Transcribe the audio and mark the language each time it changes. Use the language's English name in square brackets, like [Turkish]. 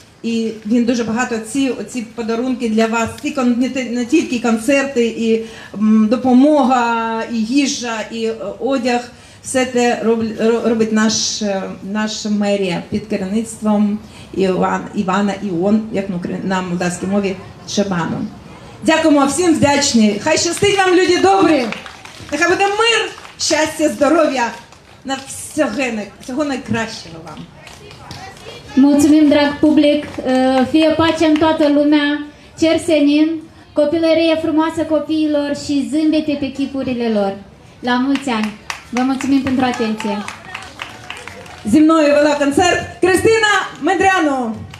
[Ukrainian] І він дуже багато ці подарунки для вас, не тільки концерти, і допомога, і їжа, і одяг, все те робить наш мерія під керівництвом Івана Іон, як на молдавській мові, Чебану. Дякуємо, всім вдячні. Хай щастить вам, люди добрі. Нехай буде мир, щастя, здоров'я. На всього найкращого вам. [Romanian] Mulțumim, drag public. Fie pace în toată lumea. Cer senin, copilărie frumoasă copiilor și zâmbete pe chipurile lor. La mulți ani. Vă mulțumim pentru atenție. [Ukrainian] Зі мною вела концерт Кристина Мендряну.